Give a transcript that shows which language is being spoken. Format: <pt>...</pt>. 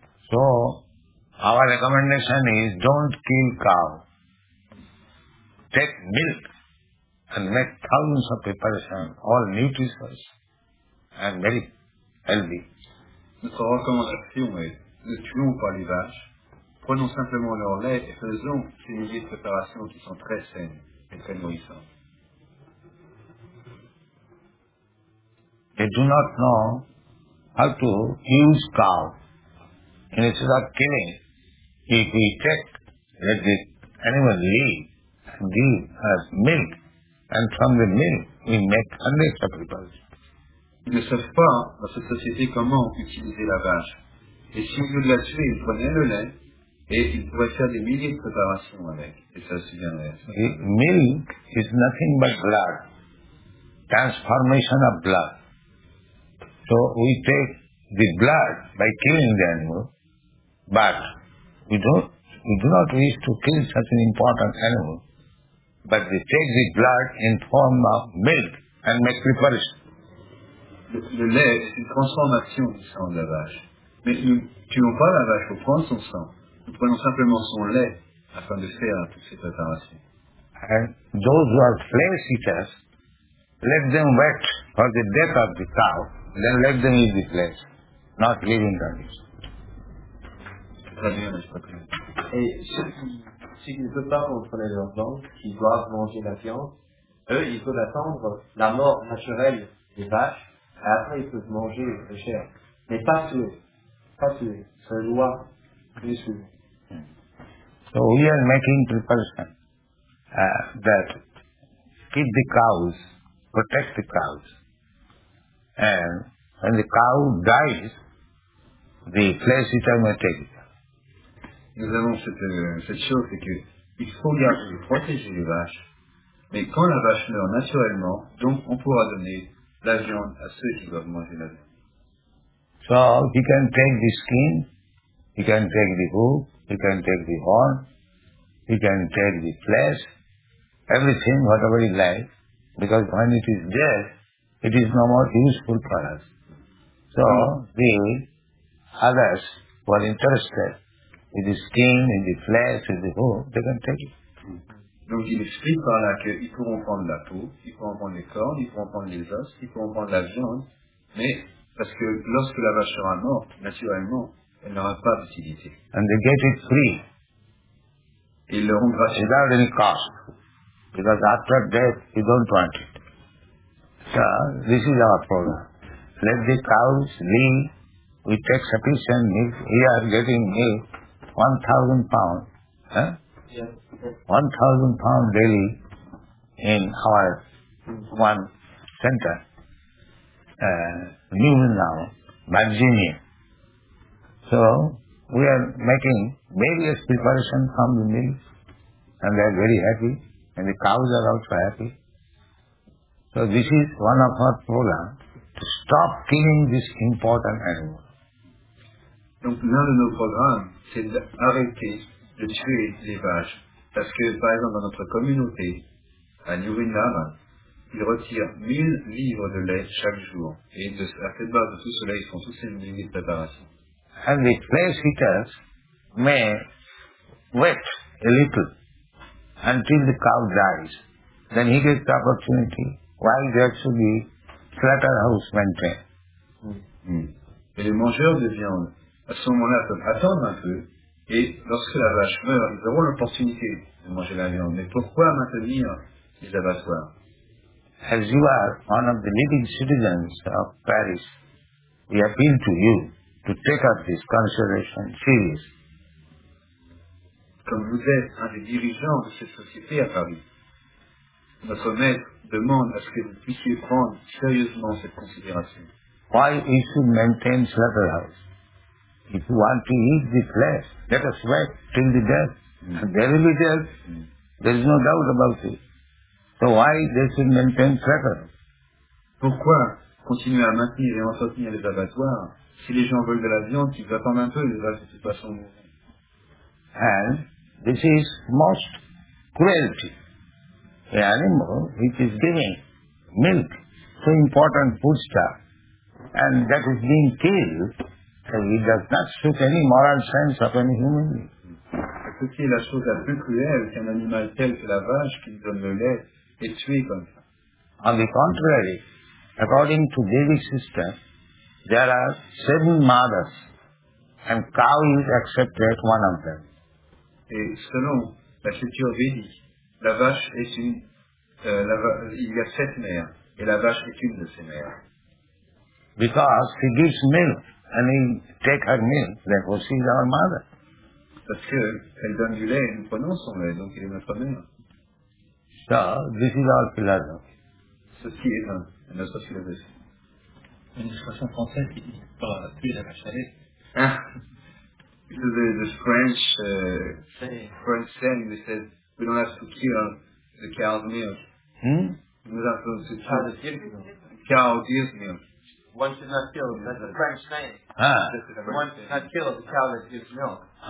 <en>So, our recommendation is don't kill cow. take milk and make tons of preparation, all nutritious and very healthy.</en> <fr>Notre recommandation est, ne tuons pas les vaches, prenons simplement leur lait et faisons ces milliers de préparations qui sont très saines et très nourrissantes.</fr> <en>They do not know how to use cow. Instead of killing, if we take, let the animal leave and give us milk, and from the milk we make hundreds of people.</en> <fr>Ils ne savent pas dans cette société comment utiliser la vache. Et si au lieu de la tuer, ils prenaient le lait, et ils pourraient faire des milliers de préparations avec. Et ça se viendrait.</fr> <en>The milk is nothing but blood. Transformation of blood. So we take the blood by killing the animal, but we do not wish to kill such an important animal, but we take the blood in form of milk and make preparation.</en> <fr>Le lait est une transformation du sang de la vache. Mais nous ne tuons pas la vache pour prendre son sang. Nous prenons simplement son lait afin de faire toutes ces préparations.</fr> <en>And those who are flesh eaters, let them wait for the death of the cow, then let them eat the flesh, not leaving the meat.</en> <fr>Et ceux qui ne peuvent pas contrôler leur langue, qui doivent manger la viande, eux, ils peuvent attendre la mort naturelle des vaches, et après ils peuvent manger le chair. Mais pas ceux, ce loi du sud.</fr> <en>So we are making preparation that keep the cows, protect the cows. And when the cow dies, the flesh is automatic.</en> <fr>Nous avons cette chose, c'est qu'il faut garder et protéger les vaches. Mais quand la vache meurt naturellement, donc on pourra donner la viande à ceux qui doivent manger la viande.</fr> <en>So, he can take the skin, he can take the hoof, he can take the horn, he can take the flesh, everything, whatever he likes, because when it is dead, it is no more useful for us. So, the others who are interested, with the skin, with the flesh, with the hoof, they can take it.</en> <fr>Donc il explique par là qu'ils pourront prendre la peau, ils pourront prendre les cornes, ils pourront prendre les os, ils pourront prendre la viande, mais parce que lorsque la vache sera morte, naturellement, elle n'aura pas d'utilité.</fr> <en>And they get it free.</en> <fr>Ils le rendent gratuit.</fr> <en>Without any cost. Because after death, you don't want it. So, this is our problem. Let the cows leave. We take sufficient milk. We are getting milk. 1,000 pounds, huh? Yeah. 1,000 pounds daily in our one center, new now, Virginia. So we are making various preparations from the mills, and they are very happy, and the cows are also happy. So this is one of our program to stop killing this important animal.</en> <fr>Donc l'un de nos programmes, c'est d'arrêter de tuer les vaches. Parce que, par exemple, dans notre communauté, à New Windham, ils retirent 1000 livres de lait chaque jour. Et de, à cette base de tout cela, ils font tous ces milliers de préparations.</fr> <en>And the flesh eaters may wait a little until the cow dies. Then he gets the opportunity while there should be slaughterhouse maintained.</en> <fr>Et les mangeurs de viande, à ce moment-là, ils peuvent attendre un peu, et lorsque la vache meurt, ils auront l'opportunité de manger la viande. Mais pourquoi maintenir les abattoirs?</fr> <en>As you are one of the leading citizens of Paris, we appeal to you to take up this consideration seriously.</en> <fr>Comme vous êtes un des dirigeants de cette société à Paris, notre maître demande à ce que vous puissiez prendre sérieusement cette considération.</fr> <en>Why we should maintain slaughterhouse? If you want to eat the flesh, let us wait till the death. There will be death. There is no doubt about it. So why they should maintain forever?</en> <fr>Pourquoi continuer à maintenir et entretenir les abattoirs si les gens veulent de la viande, ils attendent un peu, ils veulent de toute façon.</fr> <en>And this is most cruelty. An animal which is giving milk, so important foodstuff, and that is being killed, it does not suit any moral sense of any human being.</en> <fr>ce qui est la chose la plus cruelle qu'un animal tel que la vache qui nous donne le lait est tué comme ça.</fr> <en>On the contrary, according to Devi sister, there are seven mothers, and cow is accepted as one of them.</en> <fr>Et selon la culture védique, la vache est une. Il y a sept mères, et la vache est une de ces mères.</fr> <en>Because she gives milk, and we take her milk, therefore she is our mother.</en> <fr>Parce qu'elle donne du lait, et nous prenons son lait, donc elle est notre mère.</fr> <en>So, this is our philosophy.</en> <fr>Ceci est notre philosophie. Une expression française qui dit pas plus la vache à lait. Ah.</fr> <en>The French, French saying, they said, we don't have to kill the cow's milk. Hmm? We don't have to kill the cow's deer's milk. One should not kill, that's a French saying. Ah. One should not kill the cow that gives milk.</en>